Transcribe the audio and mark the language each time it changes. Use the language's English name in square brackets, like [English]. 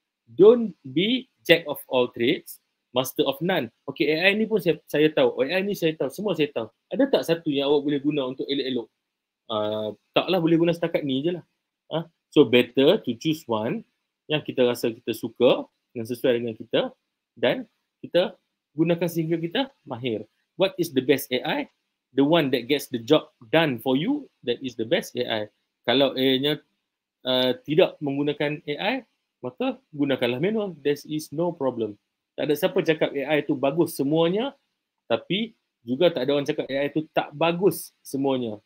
[English] Don't be jack of all trades, master of none. [Malay] Okay, AI ni pun saya tahu. AI ni saya tahu. Semua saya tahu. Ada tak satu yang awak boleh guna untuk elok-elok? Taklah boleh guna setakat ni je lah. [English] So better to choose one [Malay] yang kita rasa kita suka dan sesuai dengan kita dan kita gunakan sehingga kita mahir. [English] What is the best AI? The one that gets the job done for you, that is the best AI. [Malay] Kalau AI-nya tidak menggunakan AI, maka gunakanlah manual. [English] There is no problem. [Malay] Tak ada siapa cakap AI tu bagus semuanya, tapi juga tak ada orang cakap AI tu tak bagus semuanya.